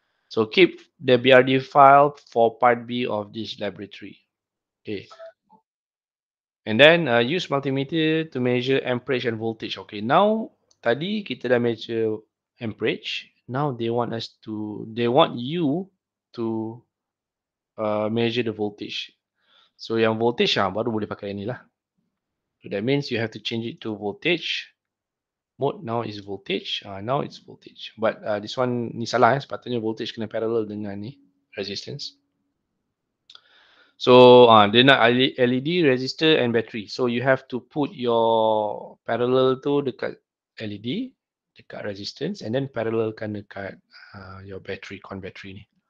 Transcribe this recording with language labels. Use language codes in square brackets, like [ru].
[en] So keep the BRD file for part B of this laboratory. Okay. And then use multimeter to measure amperage and voltage. [ms] Okay, now tadi kita dah measure amperage. [en] Now they want you to measure the voltage. [ms] So yang voltage lah, baru boleh pakai ini lah. [en] So that means you have to change it to voltage. Mode now is voltage. Now it's voltage. But this one [ms] ni salah. [en] Eh? [ms] Sepatutnya voltage kena parallel dengan ni resistance. So dia nak LED, resistor and battery. [en] So you have to put your parallel tu dekat LED, dekat resistance, and then [ms] parallelkan dekat [en] your battery, con battery ni.